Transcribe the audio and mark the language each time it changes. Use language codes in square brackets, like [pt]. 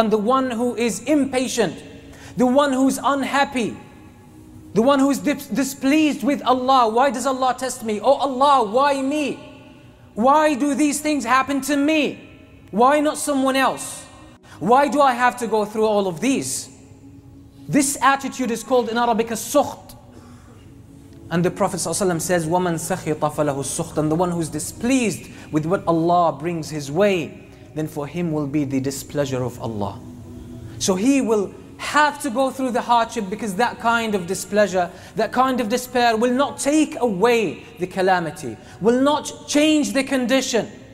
[en] And the one who is impatient, the one who is unhappy, the one who is displeased with Allah, why does Allah test me? Oh Allah, why me? Why do these things happen to me? Why not someone else? Why do I have to go through all of these? This attitude is called in Arabic as sukht. And the Prophet ﷺ says, [ar] وَمَنْ سَخِطَ فَلَهُ السُّخْطَ. [en] And the one who is displeased with what Allah brings his way, then for him will be the displeasure of Allah. So he will have to go through the hardship, because that kind of displeasure, that kind of despair will not take away the calamity, will not change the condition.